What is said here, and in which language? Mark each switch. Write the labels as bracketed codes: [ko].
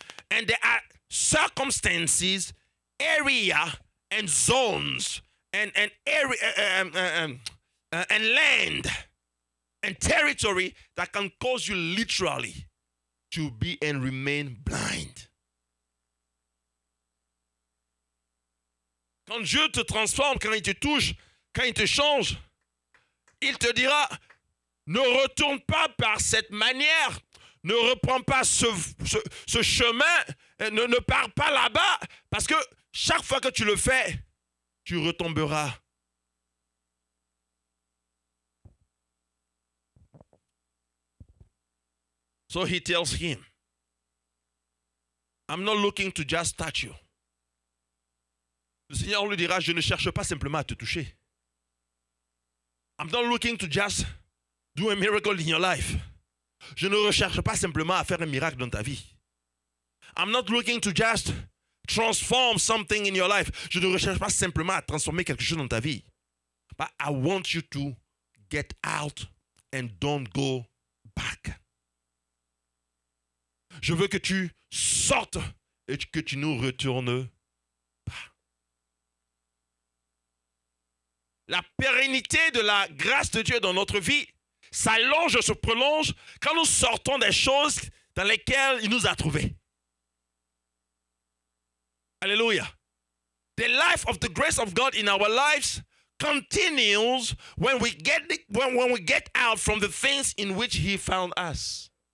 [en] And there are circumstances, area, and zones, and land and territory that can cause you literally to be and remain blind. [fr] Quand Dieu te transforme, quand il te touche, quand il te change, il te dira, ne retourne pas par cette manière, ne reprends pas ce chemin, ne pars pas là-bas, parce que chaque fois que tu le fais, tu retomberas. [en] So he tells him, I'm not looking to just touch you. [fr] Le Seigneur lui dira, je ne cherche pas simplement à te toucher. [en] I'm not looking to just do a miracle in your life. [fr] Je ne recherche pas simplement à faire un miracle dans ta vie. [en] I'm not looking to just transform something in your life. [fr] Je ne recherche pas simplement à transformer quelque chose dans ta vie. [en] But I want you to get out and don't go back. [fr] Je veux que tu sortes et que tu ne retournes pas. La pérennité de la grâce de Dieu dans notre vie s'allonge, se prolonge quand nous sortons des choses dans lesquelles il nous a trouvés. Alléluia. [en] The life of the grace of God in our lives continues when we get out from the things in which he found us.